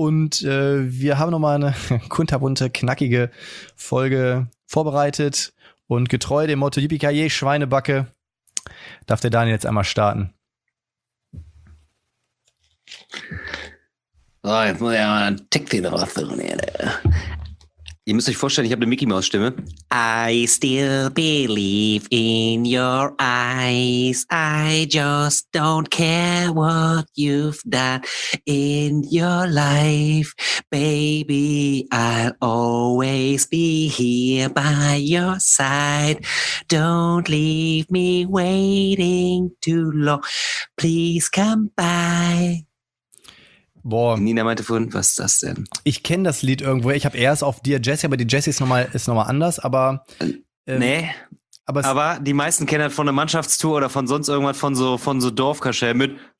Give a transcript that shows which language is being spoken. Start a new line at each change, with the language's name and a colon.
German: Und wir haben nochmal eine kunterbunte, knackige Folge vorbereitet und getreu dem Motto Yippie-Ki-Yay, Schweinebacke, darf der Daniel jetzt einmal starten. Oh, jetzt muss ich mal einen Tick den rausholen hier. Ihr müsst euch vorstellen, ich habe eine Mickey-Maus-Stimme.
English: I still believe in your eyes. I just don't care what you've done in your life. Baby, I'll always be here by your side. Don't leave me waiting too long. Please come by. Boah.
German: Nina meinte vorhin, was ist das denn? Ich kenne das Lied irgendwo. Ich habe erst auf Dear Jessie, aber die Jessie ist nochmal anders. Aber nee. Aber die meisten kennen halt von der Mannschaftstour oder von sonst irgendwas von so Dorfkaschä mit.